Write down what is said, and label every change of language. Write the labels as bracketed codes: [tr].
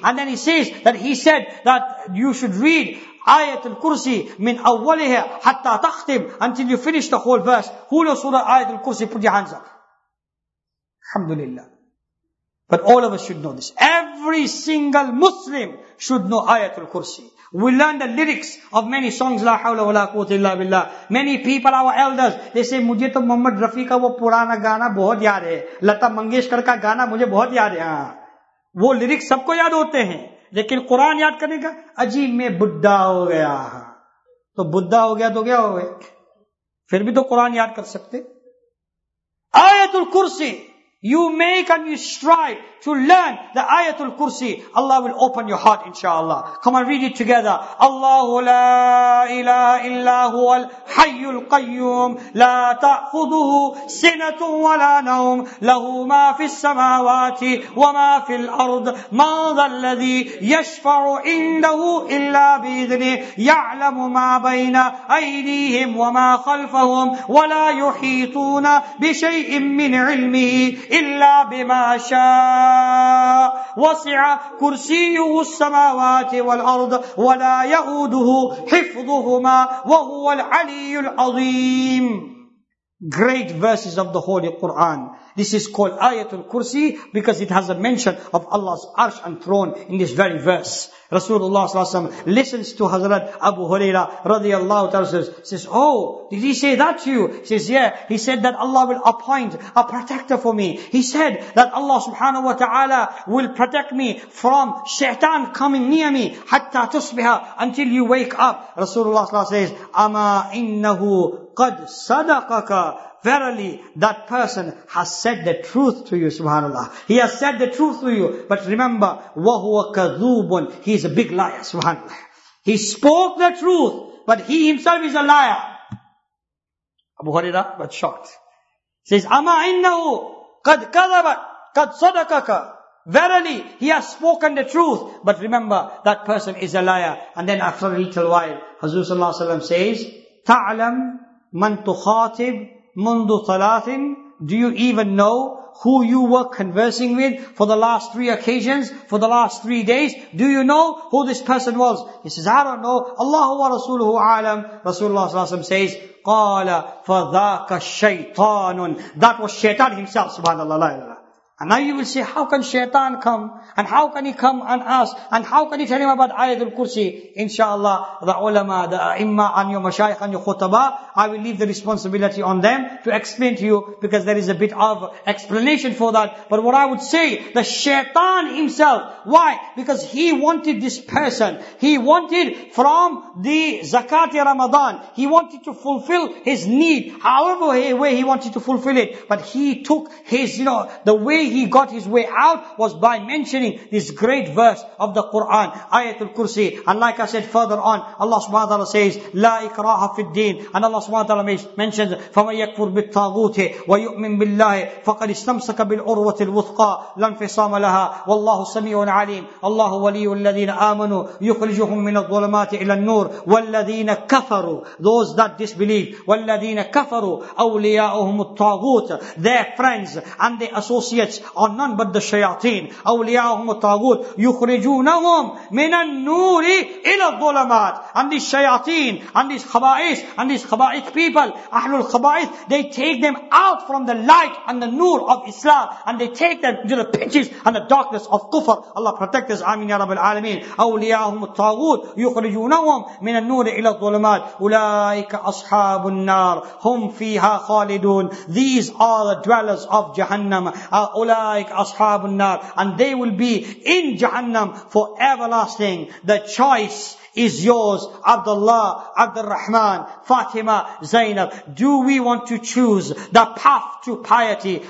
[en] And then he says that he said that you should read [ar] آيات الكرسي من أولها حتى تختم, [en] until you finish the whole verse. Who knows Surah آيات الكرسي? Put your hands up. Alhamdulillah. But all of us should know this. Every single Muslim should know آيات الكرسي. We learn the lyrics of many songs. [ar] لا حول ولا قوة إلا بالله. [en] Many people, our elders, they say, [ur] مجھے تو محمد رفی کا وہ پرانا گانا بہت یاد ہے. لتا منگیشکر کا گانا مجھے بہت یاد ہے. وہ lyrics سب کو یاد ہوتے ہیں. لیکن قرآن یاد کرنے کا عجیب, میں بدھا ہو گیا. تو بدھا ہو گیا تو کیا ہو گیا, پھر بھی تو قرآن یاد کر سکتے. [en] آیت الکرسی, you make and you strive to learn the آیت الکرسی. Allah will open your heart inshallah. Come and read it together. [ar] اللہ لا الہ الا هو الحی القیوم لا تأخذه سنة ولا نوم له ما في السماوات وما في الأرض من ذا الذي يشفع عنده إلا بإذنه يعلم ما بين أيديهم وما خلفهم ولا يحيطون بشيء من علمه إلا بما شاء وسع كرسيه السماوات والأرض ولا يؤوده حفظهما وهو العلي العظيم. [en] Great verses of the Holy Quran. This is called Ayatul Kursi because it has a mention of Allah's arsh and throne in this very verse. Rasulullah s.a.w. listens to Hazrat Abu Huraira radiallahu ta'ala, says, oh, did he say that to you? He says, yeah, he said that Allah will appoint a protector for me. He said that Allah subhanahu wa ta'ala will protect me from shaitan coming near me, [ar] hatta tusbiha, [en] until you wake up. Rasulullah s.a.w. says, [ar] ama innahu qad sadaqaka. [en] Verily, that person has said the truth to you, subhanAllah. He has said the truth to you. But remember, [ar] وَهُوَ كَذُوبٌ. [en] He is a big liar, subhanAllah. He spoke the truth, but he himself is a liar. Abu Huraira was shocked. Says, [ar] أَمَا إِنَّهُ قَدْ كَذَبَتْ قَدْ صَدَقَكَ. [en] Verily, he has spoken the truth. But remember, that person is a liar. And then after a little while, Hazrat Sallallahu Alaihi Wasallam says, [ar] تَعْلَمْ مَنْ تُخَاطِبْ منذ ثلاث [en] do you even know who you were conversing with for the last three occasions, for the last 3 days? Do you know who this person was? He says, I don't know. [ar] Allahu wa rasuluhu alam. [en] Rasulullah says, [ar] قَالَ فَذَاكَ شَيْطَانٌ. [en] That was shaitan himself, subhanAllah. And now you will say, how can shaitan come? And how can he come and ask? And how can he tell him about Ayatul Kursi? InshaAllah, the ulama, the imma, and your mashayikh, and your khutaba, I will leave the responsibility on them to explain to you, because there is a bit of explanation for that. But what I would say, the shaitan himself, why? Because he wanted this person, he wanted from the zakat Ramadan, he wanted to fulfill his need, however way he wanted to fulfill it. But he took his, you know, the way he got his way out was by mentioning this great verse of the Quran, Ayatul Kursi. And like I said further on, Allah subhanahu wa ta'ala says, [ar] La ikraha fi al-deen. [en] And Allah subhanahu wa ta'ala mentions, [ar] فَمَنْ يَكْفُرْ بِالطَّاغُوتِ وَيُؤْمِنْ بِاللَّهِ فَقَدْ اسْتَمْسَكَ بِالْعُرْوَةِ الْوُثْقَى لَا انْفِصَامَ لَهَا وَاللَّهُ سَمِيعٌ عَلِيمٌ. اللَّهُ وَلِيُّ الَّذِينَ آمَنُوا يُخْرِجُهُم مِّنَ الظُّلُمَاتِ إِلَى النُّورِ وَالَّذِينَ كَفَرُوا, [en] those that disbelieve, [ar] وَالَّذِينَ كَفَرُوا أَوْلِيَاؤُهُمُ الطَّاغُوتُ, [en] their friends and their associates are none but the shayateen. [ar] أَوْلِيَاؤُهُمُ الطاغوت يخرجونهم من النور إلى الظلمات. [en] And these shayateen, and these khaba'is, and these khaba'ith people, ahlul khaba'ith, they take them out from the light and the nur of Islam, and they take them to the pitches and the darkness of kufr. Allah protect us. Amin ya rabbal alamin. [ar] أولياءهم الطاغوت يخرجونهم من النور إلى الظلمات أولئك أصحاب النار هم فيها خالدون. [en] These are the dwellers of Jahannam. [ar] أولئك أصحاب النار. [en] And they will be in Jahannam for everlasting. The choice is yours, Abdullah, Abdurrahman, Fatima, Zainab. Do we want to choose the path to piety?